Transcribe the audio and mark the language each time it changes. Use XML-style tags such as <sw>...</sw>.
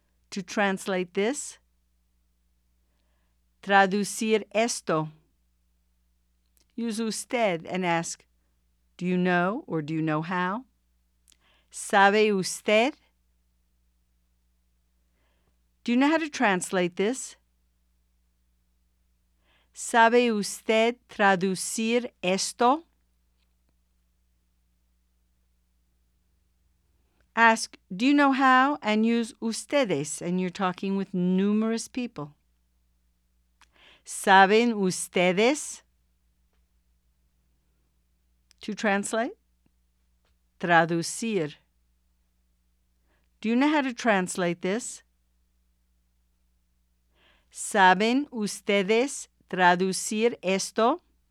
<en>To translate this,</en> <es>traducir esto.</es> <en>Use usted and ask, do you know or do you know how?</en> <es>¿Sabe usted?</es> <en>Do you know how to translate this?</en> <es>¿Sabe usted traducir esto?</es> <en>Ask, do you know how, and use ustedes, and you're talking with numerous people.</en> <es>¿Saben ustedes?</es> <en>To translate,</en> <es>traducir.</es> <en>Do you know how to translate this?</en> <es>¿Saben ustedes traducir esto?</es>